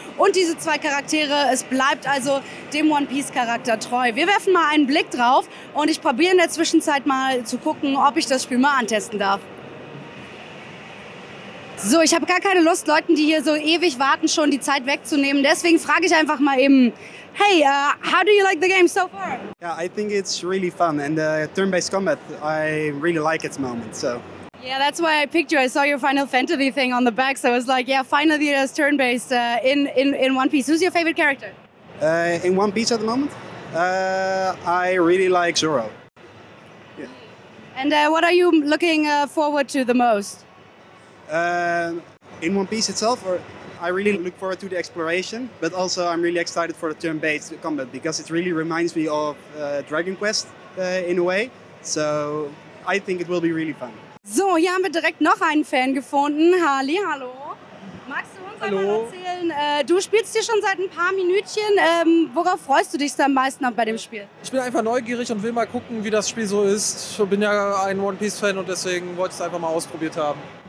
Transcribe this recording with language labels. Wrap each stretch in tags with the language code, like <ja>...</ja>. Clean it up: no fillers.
<de>Und diese zwei Charaktere, es bleibt also dem One Piece Charakter treu. Wir werfen mal einen Blick drauf und ich probiere in der Zwischenzeit mal zu gucken, ob ich das Spiel mal antesten darf. So, ich habe gar keine Lust, Leuten, die hier so ewig warten, schon die Zeit wegzunehmen. Deswegen frage ich einfach mal eben,</de> <en>hey, how do you like the game so far? Yeah, I think it's really fun and turn-based combat, I really like its moment, so. Yeah, that's why I picked you. I saw your Final Fantasy thing on the back, so I was like, yeah, finally there's turn-based in One Piece. Who's your favorite character? In One Piece at the moment? I really like Zoro. Yeah. And what are you looking forward to the most? In One Piece itself, or I really look forward to the exploration, but also I'm really excited for the turn-based combat because it really reminds me of Dragon Quest in a way. So I think it will be really fun.</en> <de>So, hier haben wir direkt noch einen Fan gefunden. Halli, hallo. Magst du uns einmal erzählen? Du spielst hier schon seit ein paar Minütchen. Worauf freust du dich am meisten bei dem Spiel? Ich bin einfach neugierig und will mal gucken, wie das Spiel so ist. Ich bin ja ein One Piece Fan und deswegen wollte ich es einfach mal ausprobiert haben.</de>